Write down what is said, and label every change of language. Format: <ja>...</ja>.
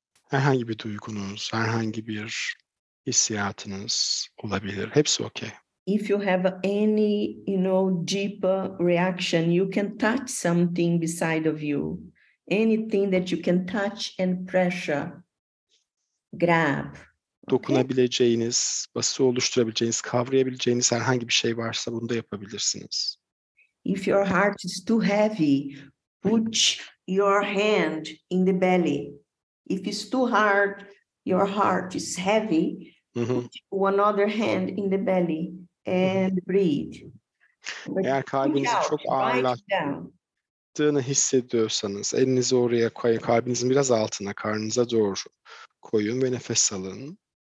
<tr>Herhangi bir duygunuz, herhangi bir hissiyatınız olabilir. Hepsi okay.</tr> <en>If you have any, you know, deeper reaction, you can touch something beside of you. Anything that you can touch and pressure, grab.</en> <tr>Dokunabileceğiniz, bası oluşturabileceğiniz, kavrayabileceğiniz herhangi bir şey varsa bunu da yapabilirsiniz.</tr> <en>If your heart is too heavy, put your hand in the belly. If it's too hard, your heart is heavy, put another hand in the belly and breathe.</en> <tr>Eğer kalbinizi çok ağırlattığını hissediyorsanız, elinizi oraya koyun, kalbinizin biraz altına, karnınıza doğru koyun ve nefes alın.</tr>